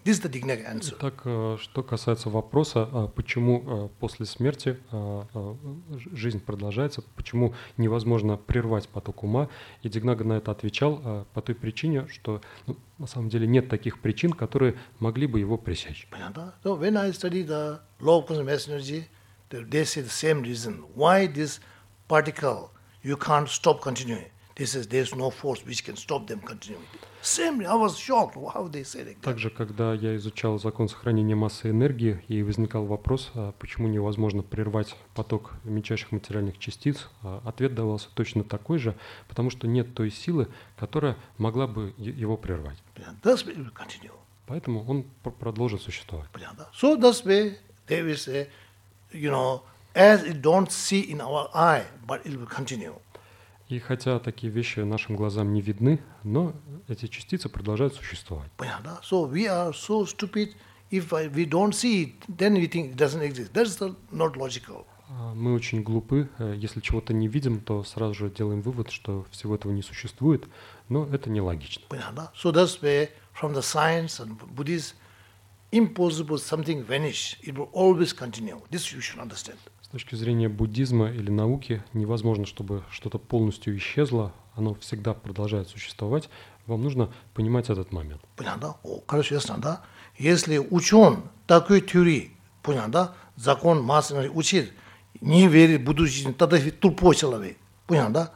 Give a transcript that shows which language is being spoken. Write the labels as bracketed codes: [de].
[en] This is the Dignagar answer. [ru] Так, что касается вопроса, почему после смерти жизнь продолжается, почему невозможно прервать поток ума, и Дигнага на это отвечал по той причине, что ну, на самом деле нет таких причин, которые могли бы его пресечь. Понятно? [en] So when I study the law of conserving mass energy, they say the same reason. Why this particle you can't stop continuing? They said there's no force which can stop them continuing. Same, I was shocked how they said it. [ru] Также, когда я изучал закон сохранения массы энергии, и возникал вопрос, почему невозможно прервать поток мельчайших материальных частиц, ответ давался точно такой же, потому что нет той силы, которая могла бы его прервать. [en] That's why we continue. [ru] Поэтому он продолжит существовать. [en] So that's why they will say, you know, as it don't see in our eye, but it will continue. [ru] И хотя такие вещи нашим глазам не видны, но эти частицы продолжают существовать. Понятно? [en] So we are so stupid, if we don't see it, then we think it doesn't exist. That's not logical. [ru] Мы очень глупы, если чего-то не видим, то сразу же делаем вывод, что всего этого не существует, но это нелогично. Понятно? [en] So that's why from the science and Buddhist, impossible something vanish, it will always continue. This you should understand. [ru] С точки зрения буддизма или науки, невозможно, чтобы что-то полностью исчезло, оно всегда продолжает существовать. Вам нужно понимать этот момент. Понятно, да? О, короче, ясно, да? Если ученый такой теории, понял, да? Закон массы учит, не верит в будущее, тогда тупой человек. Понял, да?